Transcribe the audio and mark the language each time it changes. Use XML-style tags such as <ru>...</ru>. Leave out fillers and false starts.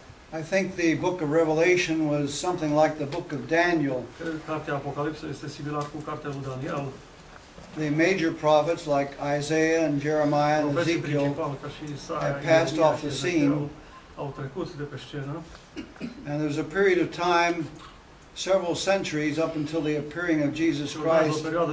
<en>I think the book of Revelation was something like the book of Daniel.</en> <ro>Cartea Apocalipsa este similară cu cartea lui Daniel.</ro> <en>The major prophets like Isaiah and Jeremiah and Ezekiel had passed off the scene.</en> <ro>Au trecut de pe scenă.</ro> <en>And there was a period of time, several centuries up until the appearing of Jesus Christ.</en>